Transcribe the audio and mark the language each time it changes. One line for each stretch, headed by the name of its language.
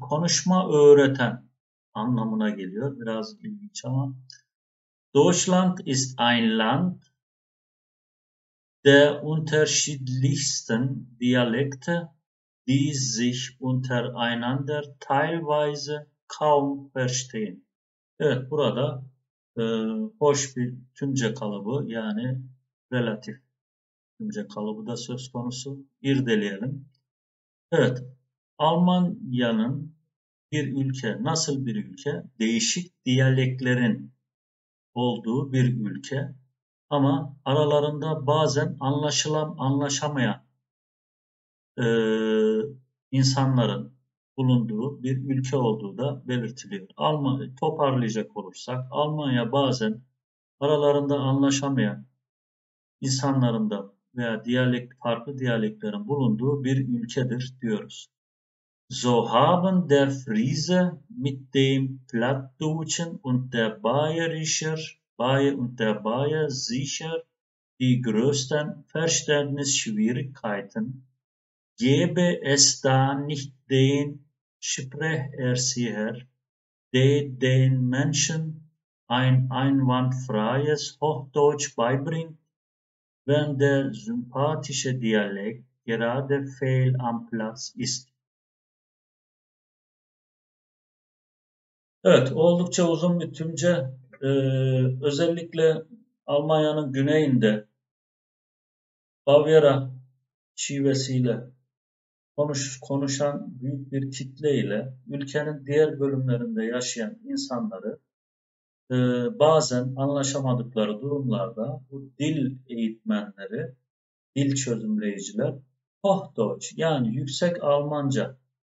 Turkish: Konuşma öğreten anlamına geliyor. Biraz ilginç ama.
German: Deutschland ist ein Land, der unterschiedlichsten Dialekte, die sich untereinander teilweise kaum verstehen.
Turkish: Evet, burada hoş bir Türkçe kalıbı, yani relatif Türkçe kalıbı da söz konusu. İrdeleyelim. Evet, Almanya'nın bir ülke, nasıl bir ülke? Değişik diyaleklerin olduğu bir ülke. Ama aralarında bazen anlaşamayan insanların bulunduğu bir ülke olduğu da belirtiliyor. Almanya toparlayacak olursak, Almanya bazen aralarında anlaşamayan insanların da veya farklı diyaleklerin bulunduğu bir ülkedir diyoruz.
German: So haben der Friese mit dem Plattdeutschen und der Bayerischer Baye und der Baye sicher die größten Verständnisschwierigkeiten. Gäbe es da nicht den Sprecherzieher, der den Menschen ein einwandfreies Hochdeutsch beibringt, wenn der sympathische Dialekt gerade fehl am Platz ist.
Turkish: Evet, oldukça uzun bir Türkçe. Özellikle Almanya'nın güneyinde Bavyera şivesiyle konuşan büyük bir kitle ile ülkenin diğer bölümlerinde yaşayan insanları bazen anlaşamadıkları durumlarda bu dil eğitmenleri, dil çözümleyiciler Hochdeutsch yani yüksek Almanca